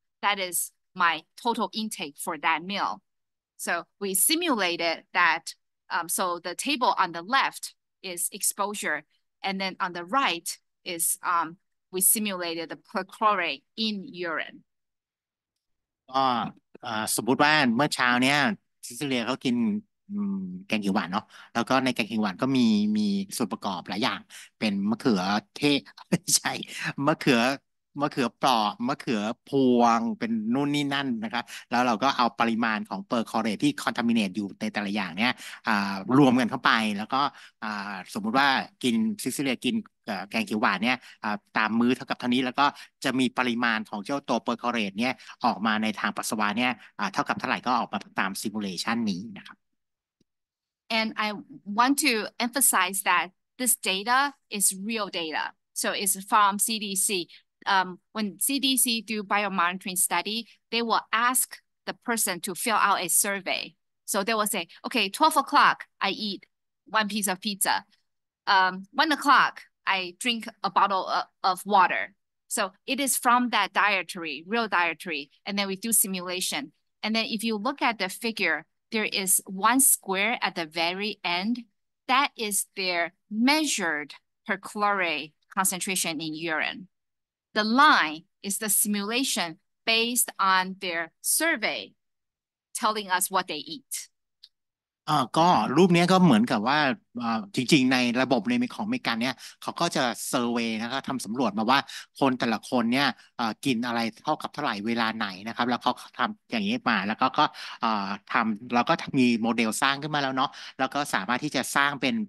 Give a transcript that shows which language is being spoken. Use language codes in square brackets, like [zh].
[en] That is my total intake for that meal. So we simulated that. So the table on the left is exposure, and then on the right is we simulated the perchlorate in urine. [th] สมมุติว่าเมื่อเช้าเนี่ยซิซิเลียเขากินแกงเขียวหวานเนาะแล้วก็ในแกงเขียวหวานก็มีส่วนประกอบหลายอย่างเป็นมะเขือเทศไม่ใช่มะเขือปลอกมะเขือพวงเป็นนู่นนี่นั่นนะครับแล้วเราก็เอาปริมาณของเปอร์คอร์เรทที่คอนทามิเนตอยู่ในแต่ละอย่างเนี่ยรวมกันเข้าไปแล้วก็สมมุติว่ากินซิซิเลียกินแกงเขียวหวานเนี่ยตามมื้อเท่ากับเท่านี้แล้วก็จะมีปริมาณของเจ้าตัวเปอร์คอร์เรทเนี่ยออกมาในทางปัสสาวะเนี่ยเท่ากับเท่าไหร่ก็ออกมาตามซิมูเลชันนี้นะครับ [en] And I want to emphasize that this data is real data. So it's from CDC. When CDC do biomonitoring study, they will ask the person to fill out a survey. So they will say, okay, 12 o'clock, I eat one piece of pizza. 1 o'clock, I drink a bottle of water. So it is from that dietary, real dietary. And then we do simulation. And then if you look at the figure, there is one square at the very end. That is their measured perchlorate concentration in urine. The line is the simulation based on their survey telling us what they eat. [th] ก็รูปนี้ก็เหมือนกับว่าจริงๆในระบบในของอเมริกันเนี่ยเขาก็จะเซอร์เวย์นะครับทำสำรวจมาว่าคนแต่ละคนเนี่ยกินอะไรเท่ากับเท่าไหร่เวลาไหนนะครับแล้วเขาทำอย่างนี้มาแล้วก็ทำแล้วก็มีโมเดลสร้างขึ้นมาแล้วเนาะแล้วก็สามารถที่จะสร้างเ